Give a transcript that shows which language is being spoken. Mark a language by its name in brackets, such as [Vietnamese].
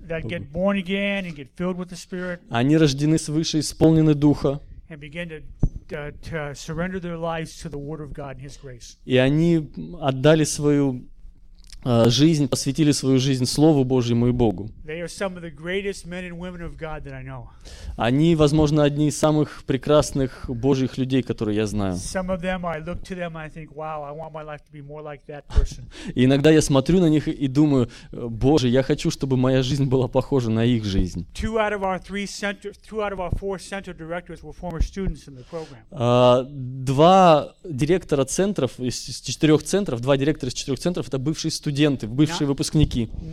[English] That get born again and get filled with the Spirit. [Russian] Они рождены свыше, исполнены духа. [English] And begin to to surrender their lives to the word of God and his grace. [Russian] И они отдали свою жизнь, посвятили свою жизнь Слову Божьему и Богу. [English] They are some of the greatest men and women of God that I know. [Russian] Они, возможно, одни из самых прекрасных Божьих людей, которые я знаю. [English] Some of them, I look to them and I think, wow, I want my life to be more like that person. [Russian] И иногда я смотрю на них и думаю, Боже, я хочу, чтобы моя жизнь была похожа на их жизнь. [English] Two out of our four center directors were former students in the program. [Russian] Два директора центров из четырех центров, два директора из четырех центров — это бывшие студенты. Студенты, бывшие выпускники.